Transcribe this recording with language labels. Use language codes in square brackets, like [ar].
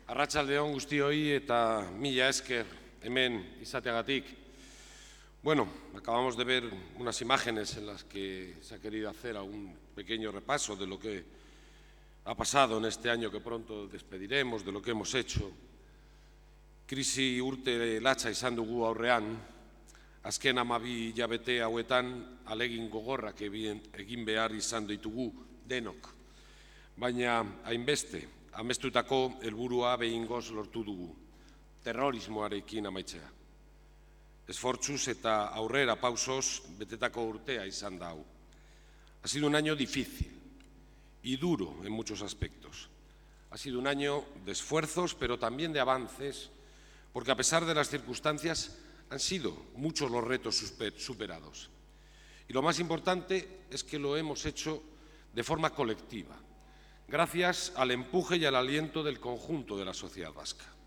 [eu] Arratsaldeon guztioi eta mila esker hemen izateagatik. [es] Bueno, acabamos de ver unas imágenes en las que se ha querido hacer algún pequeño repaso de lo que ha pasado en este año que pronto despediremos, de lo que hemos hecho. [eu] Krisi urte latza izan dugu aurrean, azken amabi hilabete hauetan alegin gogorrak egin behar izan ditugu denok. Baina hainbeste, amestutako helburua behingoz lortu dugu, terrorismoarekin amaitzea. Esfortzuz eta aurrera pausos betetako urtea izan da hau. [es] Ha sido un año difícil y duro en muchos aspectos. Ha sido un año de esfuerzos, pero también de avances, porque a pesar de las circunstancias han sido muchos los retos superados. Y lo más importante es que lo hemos hecho de forma colectiva, gracias al empuje y al aliento del conjunto de la sociedad vasca.